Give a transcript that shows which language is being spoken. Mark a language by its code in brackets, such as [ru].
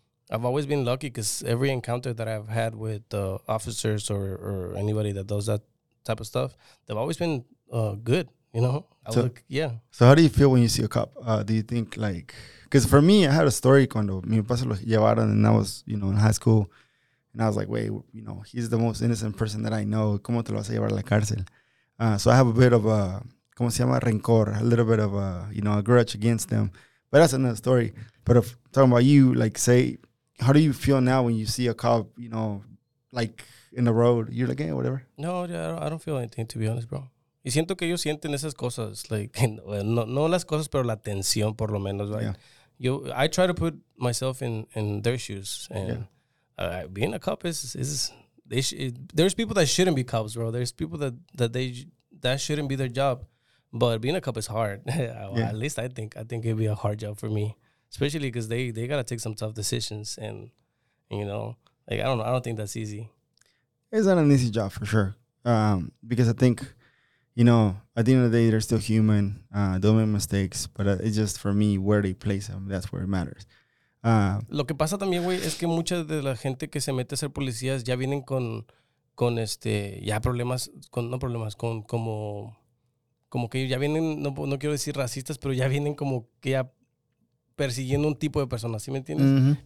[en] I've always been lucky because every encounter that I've had with officers or anybody that does that type of stuff, they've always been good, you know? So how do you feel when you see a cop? Do you think, like... Because for me, I had a story [es] cuando mi papá se lo llevaron [en] and I was, you know, in high school. And I was like, wait, you know, he's the most innocent person that I know. [es] ¿Cómo te lo vas a llevar a la cárcel? [en] So I have a bit of a, [es] ¿cómo se llama? Rencor. [en] A little bit of a, you know, a grudge against them. But that's another story. But if, talking about you, like, say, how do you feel now when you see a cop, you know, like, in the road? You're like, hey, whatever. No, I don't feel anything, to be honest, bro. [es] Y siento que ellos sienten esas cosas, like, no las cosas, pero la tensión, por lo menos, right? [en] Yeah. I try to put myself in their shoes, and being a cop there's people that shouldn't be cops, bro. There's people that shouldn't be their job, but being a cop is hard. Well, at least I think it'd be a hard job for me, especially because they gotta take some tough decisions, and you know, like, I don't think that's easy. It's not an easy job for sure, because I think. You know, at the end of the day, they're still human. They'll make mistakes, but it's just for me where they place them. That's where it matters. [es] Lo que pasa también, güey, es que mucha de la gente que se mete a ser policías ya vienen con problemas, persiguiendo un tipo de personas, ¿sí me entiendes? Mm-hmm.